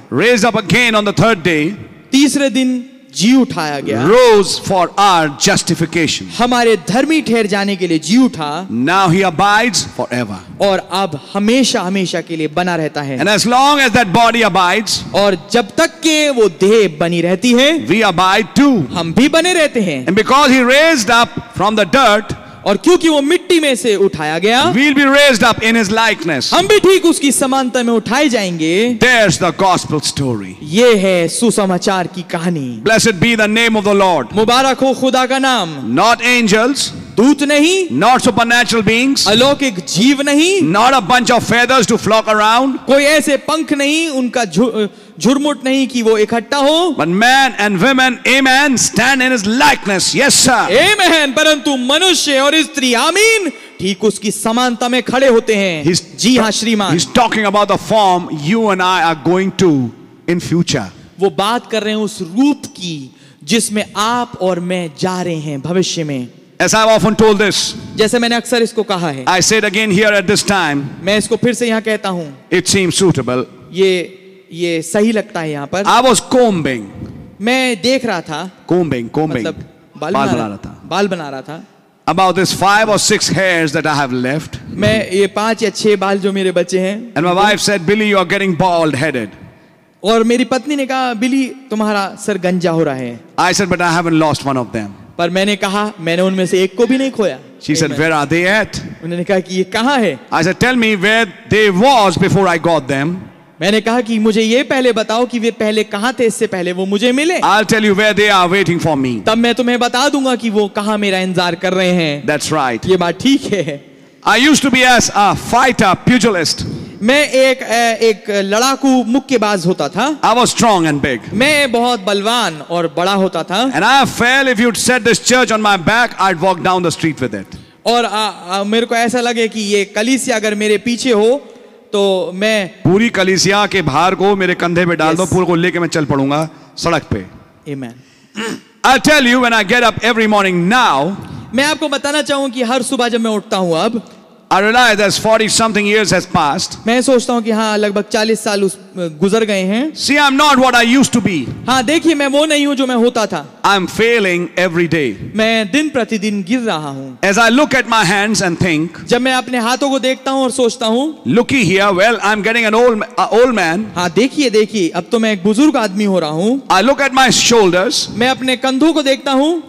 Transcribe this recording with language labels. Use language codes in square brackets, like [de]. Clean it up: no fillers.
[en] raised up again on the third day, [hi] तीसरे दिन जी उठाया गया. [en] Rose for our justification. [hi] हमारे धर्मी ठहर जाने के लिए जी उठा. [en] Now he abides forever. [hi] और अब हमेशा हमेशा के लिए बना रहता है. [en] And as long as that body abides, [hi] और जब तक के वो देह बनी रहती है, [en] we abide too. [hi] हम भी बने रहते हैं. [en] And because he raised up from the dirt, [hi] और क्योंकि वो मिट्टी में से उठाया गया, [en] we'll be raised up in his likeness. [hi] हम भी ठीक उसकी समानता में उठाए जाएंगे. [en] There's the gospel story. [hi] ये है सुसमाचार की कहानी. [en] Blessed be the name of the Lord. [hi] मुबारक हो खुदा का नाम. [en] Not angels. [hi] दूत नहीं. [en] Not supernatural beings. [hi] अलौकिक जीव नहीं. [en] Not a bunch of feathers to flock around. [hi] कोई ऐसे पंख नहीं उनका झुरमुट नहीं कि वो इकट्ठा हो. [en] But man and women, amen, stand in his likeness. Yes, sir. Amen. [hi] परंतु मनुष्य और स्त्री आमीन ठीक उसकी समानता में खड़े होते हैं. जी हाँ श्रीमान. [en] He's talking about the form you and I are going to in future. [hi] वो बात कर रहे हैं उस रूप की जिसमें आप और मैं जा रहे हैं भविष्य में. [en] As I've often told this, [hi] जैसे मैंने अक्सर इसको कहा है, [en] I say it again here at this time, [hi] मैं इसको फिर से यहाँ कहता हूँ, [en] it seems suitable, [hi] ये सही लगता है यहाँ पर. [en] I was combing, [hi] मैं देख रहा था, [en] combing, [hi] मतलब बाल बना रहा था, [en] about this 5 or 6 hairs that I have left, [hi] मैं ये 5 या 6 बाल जो मेरे बचे हैं, [en] and my wife said, Billy, you are getting bald headed. [hi] और मेरी पत्नी ने कहा बिली तुम्हारा सर गंजा हो रहा है. [en] I said, but I haven't lost one of them. [hi] पर मैंने कहा मैंने उनमें से एक को भी नहीं खोया. [en] She said, where are they at? [hi] उन्होंने कहा कि ये कहाँ है? [en] I said, tell me where they was before I got them. [hi] मैंने कहा कि मुझे ये पहले बताओ कि वे पहले कहाँ थे इससे पहले वो मुझे मिले. [en] I'll tell you where they are waiting for me. [hi] तब मैं तुम्हें बता दूंगा कि वो कहाँ मेरा इंतजार कर रहे हैं. [en] That's right. [hi] ये बात ठीक है. [en] I used to be as a fighter, pugilist. [hi] मैं एक लड़ाकू मुक्केबाज होता था. [en] I was strong and big. [hi] मैं बहुत बलवान और बड़ा होता था. [en] And I fell if you'd set this church on my back, I'd walk down the street with it. [hi] और मेरे को ऐसा लगे कि ये कलीसिया अगर मेरे पीछे हो तो मैं पूरी कलीसिया के भार को मेरे कंधे पे डाल दो. [en] Yes. [hi] पूरे को लेके मैं चल पड़ूंगा सड़क पे. [en] Amen. I'll tell you when I get up every morning now. [hi] मैं आपको बताना चाहूँगा कि हर सुबह जब मैं उठता हूँ अब. [en] I realize that 40 something years has passed. [hi] मैं सोचता हूँ कि हाँ लगभग 40 साल उस गुजर गए हैं. [en] See, I'm not what I used to be. [hi] हाँ देखिए मैं वो नहीं हूँ जो मैं होता था. [en] I'm failing every day. [hi] मैं दिन प्रतिदिन गिर रहा हूँ. [en] As I look at my hands and think. [hi] जब मैं अपने हाथों को देखता हूँ और सोचता हूँ. [en] Looky here, well, I'm getting an old man. [hi] हाँ देखिए देखिए अब तो मैं एक बुजुर्ग आदमी हो रहा हूँ. [en] I look at my shoulders. [hi] मैं अपने कंधों को देखता हूँ.